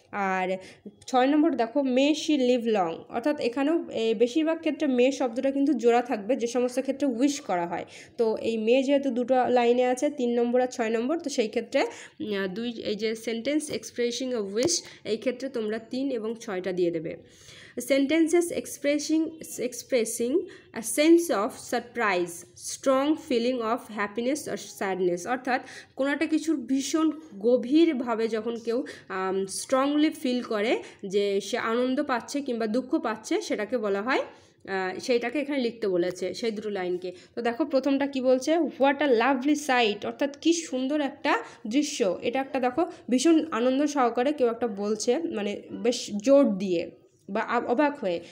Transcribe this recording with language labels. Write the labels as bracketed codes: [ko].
[bn] আর 6 নম্বর দেখো [en] may she live long, [bn] অর্থাৎ এখানেও বেশিরভাগ ক্ষেত্রে মে শব্দটা কিন্তু জোড়া থাকবে যে সমস্ত ক্ষেত্রে উইশ করা হয়। তো এই মে যেহেতু 2টা লাইনে আছে, 3 নম্বর আর 6 নম্বর, তো সেই ক্ষেত্রে এই যে সেন্টেন্স এক্সপ্রেসিং অফ উইশ, এই ক্ষেত্রে তোমরা 3 এবং 6টা দিয়ে দেবে। [en] sentences expressing a sense of surprise, strong feeling of happiness or sadness. [bn] অর্থাৎ কোনো একটা কিছুর ভীষণ গভীরভাবে যখন কেউ স্ট্রংলি ফিল করে যে সে আনন্দ পাচ্ছে কিংবা দুঃখ পাচ্ছে, সেটাকে বলা হয়, সেইটাকে এখানে লিখতে বলেছে সেই দুটো লাইনকে। তো দেখো প্রথমটা কি বলছে, [en] what a lovely sight, [bn] অর্থাৎ কি সুন্দর একটা দৃশ্য এটা, একটা দেখো ভীষণ আনন্দ সহকারে কেউ একটা বলছে, মানে বেশ জোর দিয়ে বা অবাক হয়ে।